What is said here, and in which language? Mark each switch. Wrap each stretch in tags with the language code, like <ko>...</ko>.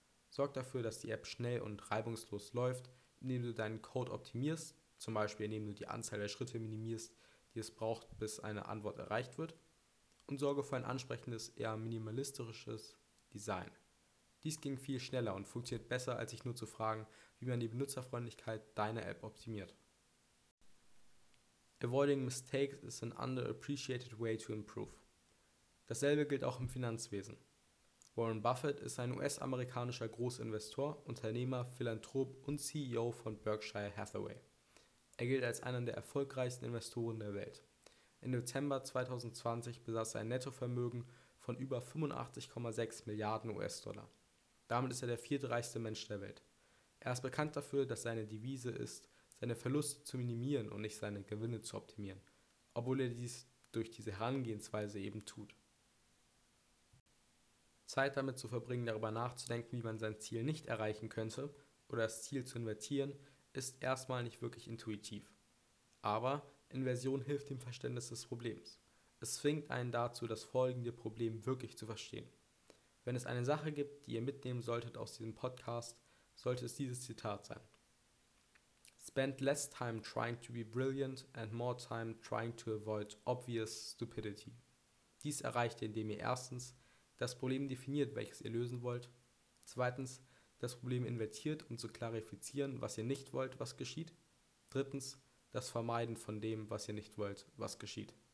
<de>Sorg dafür, dass die App schnell und reibungslos läuft, indem du deinen Code optimierst, zum Beispiel indem du die Anzahl der Schritte minimierst, die es braucht, bis eine Antwort erreicht wird, und sorge für ein ansprechendes, eher minimalistisches Design. Dies ging viel schneller und funktioniert besser, als sich nur zu fragen, wie man die Benutzerfreundlichkeit deiner App optimiert.</de> <en>Avoiding mistakes is an underappreciated way to improve.</en> <de>Dasselbe gilt auch im Finanzwesen. Warren Buffett ist ein US-amerikanischer Großinvestor, Unternehmer, Philanthrop und CEO von Berkshire Hathaway. Er gilt als einer der erfolgreichsten Investoren der Welt. Im Dezember 2020 besaß er ein Nettovermögen von über 85,6 Milliarden US-Dollar. Damit ist er der viertreichste Mensch der Welt. Er ist bekannt dafür, dass seine Devise ist, seine Verluste zu minimieren und nicht seine Gewinne zu optimieren, obwohl er dies durch diese Herangehensweise eben tut. Zeit damit zu verbringen, darüber nachzudenken, wie man sein Ziel nicht erreichen könnte oder das Ziel zu invertieren, ist erstmal nicht wirklich intuitiv. Aber Inversion hilft dem Verständnis des Problems. Es zwingt einen dazu, das folgende Problem wirklich zu verstehen. Wenn es eine Sache gibt, die ihr mitnehmen solltet aus diesem Podcast, sollte es dieses Zitat sein.</de> <en>Spend less time trying to be brilliant and more time trying to avoid obvious stupidity.</en> <de>Dies erreicht ihr, indem ihr erstens das Problem definiert, welches ihr lösen wollt, zweitens das Problem invertiert, um zu klarifizieren, was ihr nicht wollt, was geschieht, drittens das Vermeiden von dem, was ihr nicht wollt, was geschieht.</de>